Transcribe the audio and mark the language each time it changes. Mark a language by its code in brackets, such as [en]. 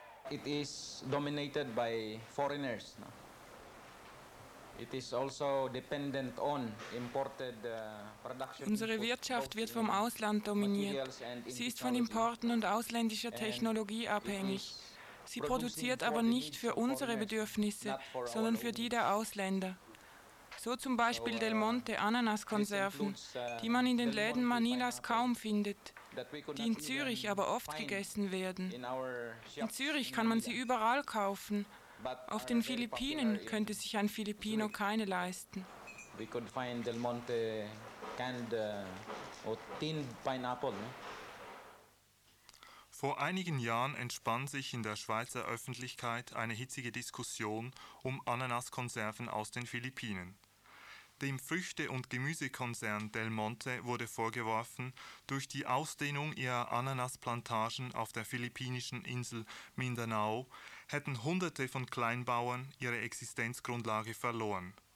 [en] It is dominated by foreigners. It is also dependent on imported production. [de] Unsere Wirtschaft wird vom Ausland dominiert. Sie ist von Importen und ausländischer Technologie abhängig. Sie produziert aber nicht für unsere Bedürfnisse, sondern für die der Ausländer. So zum Beispiel Del Monte Ananaskonserven, die man in den Läden Manilas kaum findet, die in Zürich aber oft gegessen werden. In Zürich kann man sie überall kaufen, auf den Philippinen könnte sich ein Filipino keine leisten. [en] We could find Del Monte canned or tinned pineapple. [de] Vor einigen Jahren entspann sich in der Schweizer Öffentlichkeit eine hitzige Diskussion um Ananaskonserven aus den Philippinen. Dem Früchte- und Gemüsekonzern Del Monte wurde vorgeworfen, durch die Ausdehnung ihrer Ananasplantagen auf der philippinischen Insel Mindanao hätten Hunderte von Kleinbauern ihre Existenzgrundlage verloren.